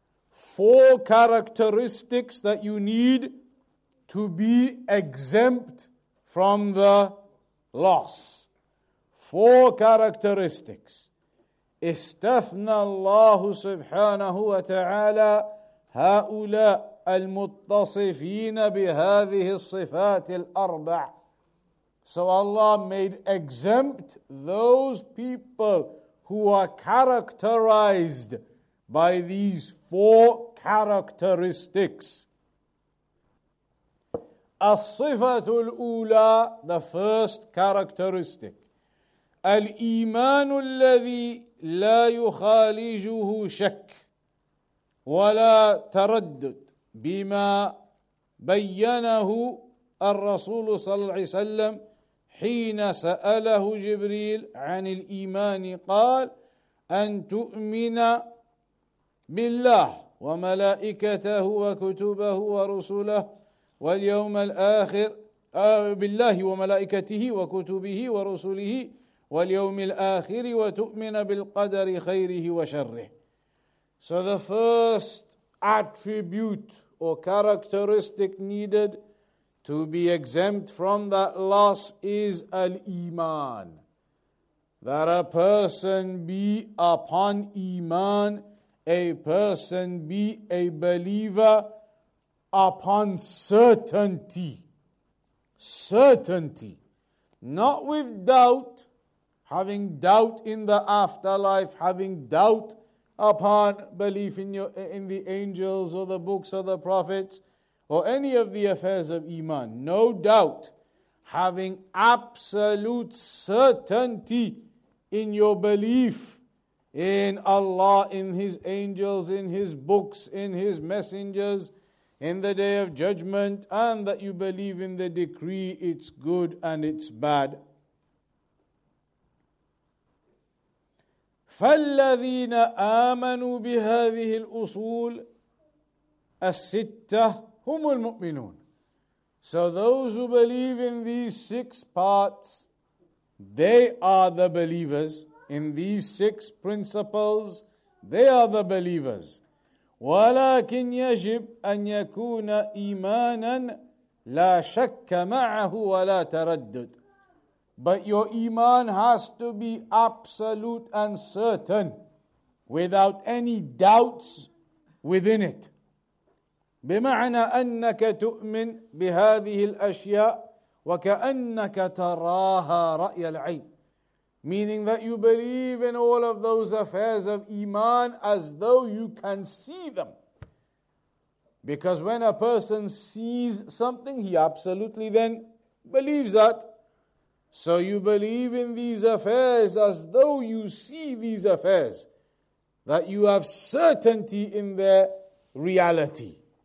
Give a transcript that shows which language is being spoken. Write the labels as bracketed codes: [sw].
[en] Four characteristics that you need to be exempt from the loss. Four characteristics. [ar] استثنى الله سبحانه وتعالى هؤلاء المتصفين بهذه الصفات الأربع. [en] So Allah made exempt those people who are characterized by these four characteristics. [ar] الصفة الأولى, [en] the first characteristic. [ar] الإيمان الذي لا يخالجه شك ولا تردد بما بينه الرسول صلى الله عليه وسلم حين سأله جبريل عن الإيمان قال أن تؤمن بالله وملائكته وكتبه ورسله واليوم الآخر بالله وملائكته وكتبه ورسله واليوم الآخر وتؤمن بالقدر خيره وشره. [en] So the first attribute or characteristic needed to be exempt from that loss is al-Iman. That a person be upon Iman, a person be a believer upon certainty. Certainty. Not with doubt, having doubt in the afterlife, having doubt upon belief in the angels or the books of the prophets or any of the affairs of Iman. No doubt, having absolute certainty in your belief in Allah, in His angels, in His books, in His messengers, in the day of judgment, and that you believe in the decree, it's good and it's bad. [ar] فالذين آمنوا بهذه الأصول الستة هم المؤمنون. [en] So those who believe in these six parts, they are the believers. In these six principles, they are the believers. [ar] ولكن يجب أن يكون إيمانا لا شك معه ولا تردد. [en] But your iman has to be absolute and certain, without any doubts within it. [ar] بمعنى أنك تؤمن بهذه الأشياء وكأنك تراها رأي العين. [en] meaning that you believe in all of those affairs of iman as though you can see them. Because when a person sees something, he absolutely then believes that. So you believe in these affairs as though you see these affairs, that you have certainty in their reality.